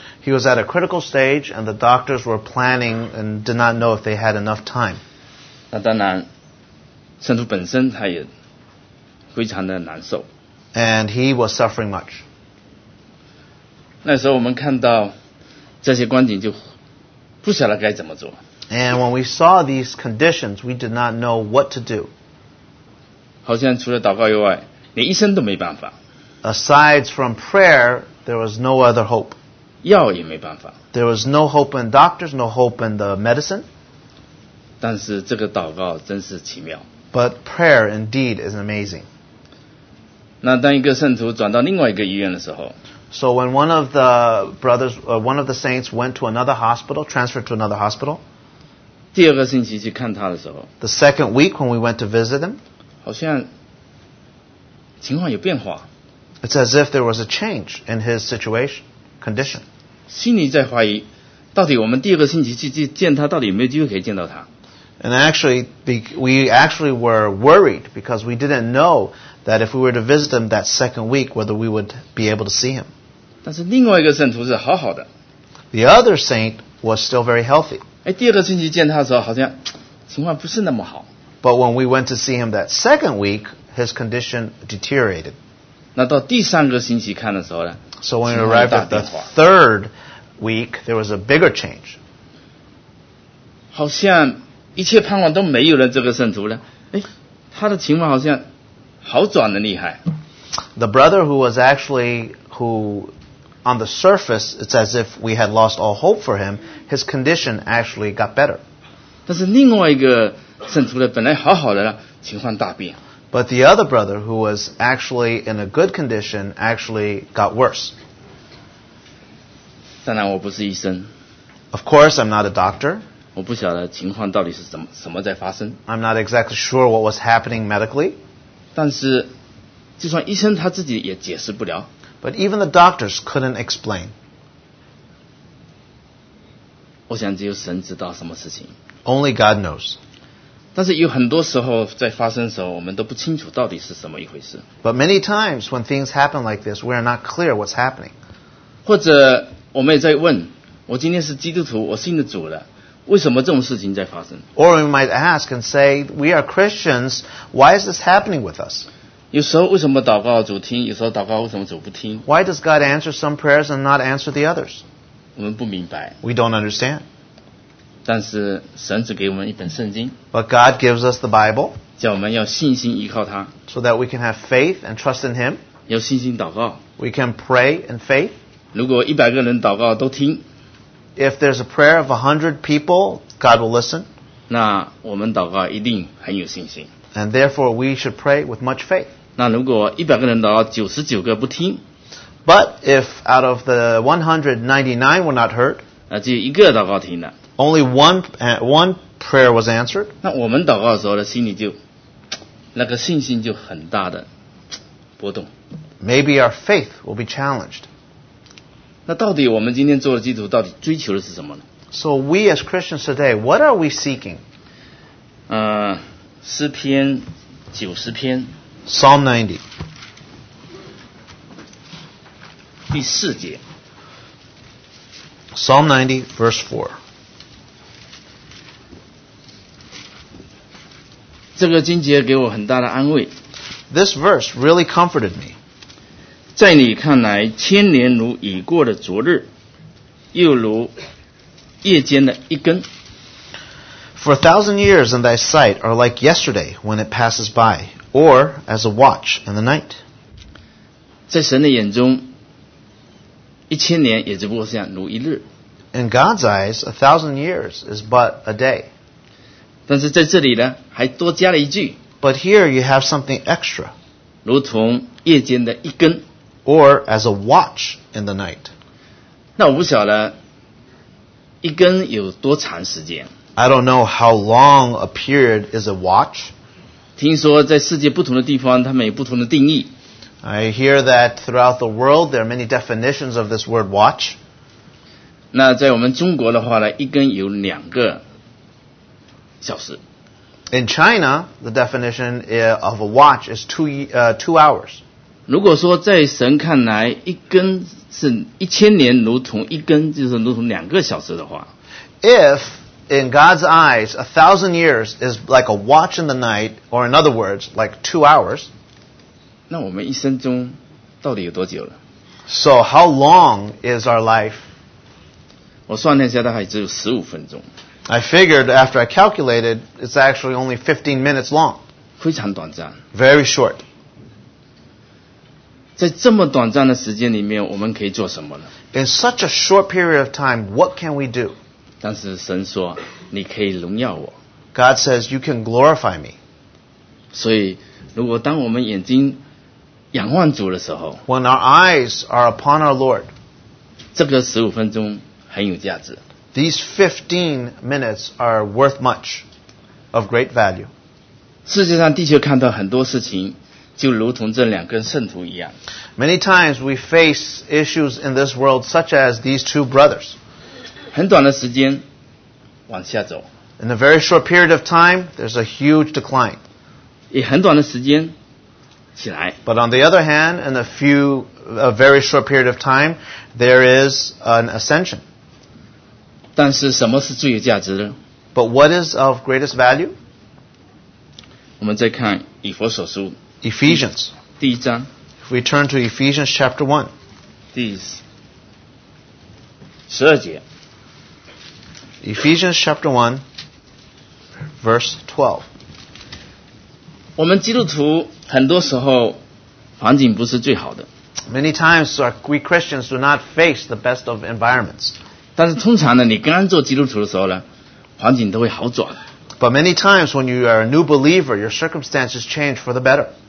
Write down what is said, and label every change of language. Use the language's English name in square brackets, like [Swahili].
[English] He was at a critical stage, and the doctors were planning and did not know if they had enough time. [Chinese] 那当然，圣徒本身他也非常的难受。 [English] And he was suffering much. [Chinese] 那时候我们看到这些光景，就不晓得该怎么做。 [English] And when we saw these conditions, we did not know what to do. [Chinese] 好像除了祷告以外，连医生都没办法。 [English] Aside from prayer. There was no other hope. [Chinese] 药也没办法。 [English] There was no hope in doctors, no hope in the medicine. [Chinese] 但是这个祷告真是奇妙。 [English] But prayer indeed is amazing. [Chinese] 那当一个圣徒转到另外一个医院的时候。 [English] So when one of the brothers, one of the saints went to another hospital, transferred to another hospital. [Chinese] 第二个星期去看他的时候。 [English] The second week when we went to visit him. [Chinese] 好像情况有变化。 [English] It's as if there was a change in his situation, condition. [Chinese] 心里在怀疑，到底我们第二个星期去见他，到底有没有机会可以见到他 [English] ？And actually, we actually were worried because we didn't know that if we were to visit him that second week, whether we would be able to see him. [Chinese] 但是另外一个圣徒是好好的。 [English] The other saint was still very healthy. [Chinese] 哎，第二个星期见他的时候，好像情况不是那么好。 [English] But when we went to see him that second week, his condition deteriorated. [Chinese] 那到第三个星期看的时候呢 [English] ？So when we arrived at the third week, there was a bigger change. [Chinese] 好像一切盼望都没有了。这个圣徒呢，哎，他的情况好像好转的厉害。 [English] The brother who was actually who on the surface it's as if we had lost all hope for him, his condition actually got better. [Chinese] 但是另外一个圣徒呢，本来好好的呢，情况大变。 [English] But the other brother, who was actually in a good condition, actually got worse. [Chinese] 当然我不是医生。 [English] Of course, I'm not a doctor. [Chinese] 我不晓得情况到底是什么在发生。 [English] I'm not exactly sure what was happening medically. [Chinese] 但是就算医生他自己也解释不了。 [English] But even the doctors couldn't explain. [Chinese] 我想只有神知道什么事情。 [English] Only God knows. [Chinese] 但是有很多时候在发生的时候，我们都不清楚到底是什么一回事。 [English] But many times when things happen like this, we are not clear what's happening. [Chinese] 或者我们也在问，我今天是基督徒，我信了主了，为什么这种事情在发生 [English] ？Or we might ask and say, we are Christians. Why is this happening with us? [Chinese] 有时候为什么祷告主听，有时候祷告为什么主不听 [English] ？Why does God answer some prayers and not answer the others? [Chinese] 我们不明白。 [English] We don't understand. [Chinese] 但是神只给我们一本圣经 [English] But God gives us the Bible [Chinese] 叫我们要信心依靠他 [English] So that we can have faith and trust in him [Chinese] 要信心祷告 [English] We can pray in faith [Chinese] 如果一百个人祷告都听 [English] If there's a prayer of 100 people God will listen [Chinese] 那我们祷告一定很有信心 [English] And therefore we should pray with much faith [Chinese] 那如果一百个人祷告99个不听 [English] But if out of the 199 were not heard [Chinese] 那只有一个祷告听了 [English] Only one prayer was answered. [Chinese] 那我们祷告的时候呢，心里就那个信心就很大的波动。 [English] Maybe our faith will be challenged. [Chinese] 那到底我们今天做的基督徒到底追求的是什么呢？ [English] So we as Christians today, what are we seeking? [Chinese] 诗篇九十篇 [English] Psalm 90 [Chinese] 第四节 [English] Psalm 90 verse 4 [Chinese] 这个经节给我很大的安慰。 [English] This verse really comforted me. [Chinese] 在你看来，千年如已过的昨日，又如夜间的一根。 [English] For 1,000 years in thy sight are like yesterday when it passes by, or as a watch in the night. [Chinese] 在神的眼中，一千年也只不过像如一日。 [English] In God's eyes, 1,000 years is but a day. [Chinese] 但是在这里呢，还多加了一句。 [English] But here you have something extra. [Chinese] 如同夜间的一根。 [English] Or as a watch in the night. [Chinese] 那我不晓得一根有多长时间。 [English] I don't know how long a period is a watch. [Chinese] 听说在世界不同的地方，他们有不同的定义。 [English] I hear that throughout the world, there are many definitions of this word watch. [Chinese] 那在我们中国的话呢，一根有两个。 [English] In China, the definition of a watch is two hours. [Chinese] 如果说在神看来，一根是一千年如同一根，就是如同两个小时的话。 [English] If in God's eyes, 1,000 years is like a watch in the night, or in other words, like 2 hours. [Chinese] 那我们一生中到底有多久了？ [English] So how long is our life? [Chinese] 我算了一下，大概只有十五分钟。 [English] I figured after I calculated, it's actually only 15 minutes long. [Chinese] 非常短暂。 [English] Very short. [Chinese] 在这么短暂的时间里面，我们可以做什么呢？ [English] In such a short period of time, what can we do? [Chinese] 但是神说，你可以荣耀我。 [English] God says, you can glorify me. [Chinese] 所以，如果当我们眼睛仰望主的时候， [English] When our eyes are upon our Lord, [Chinese] 这个十五分钟很有价值。 [English] These 15 minutes are worth much, of great value. [Chinese] 世界上的确看到很多事情，就如同这两根圣徒一样。 [English] Many times we face issues in this world such as these two brothers. [Chinese] 很短的时间往下走。 [English] In a very short period of time, there's a huge decline. [Chinese] 也很短的时间起来。 [English] But on the other hand, in a very short period of time, there is an ascension. [Chinese] 但是什么是最有价值的？ [English] But what is of greatest value? [Chinese] 我们再看以弗所书 [English] Ephesians [Chinese] 第一章 [English] If we turn to Ephesians chapter 1 [Chinese] 第十二节 [English] Ephesians chapter 1 verse 12 [Chinese] 我们基督徒很多时候环境不是最好的 [English] Many times we Christians do not face the best of environments. [Chinese] 但是通常呢，你刚做基督徒的时候呢，环境都会好转。 [English] But many times when you are a new believer, your circumstances change for the better.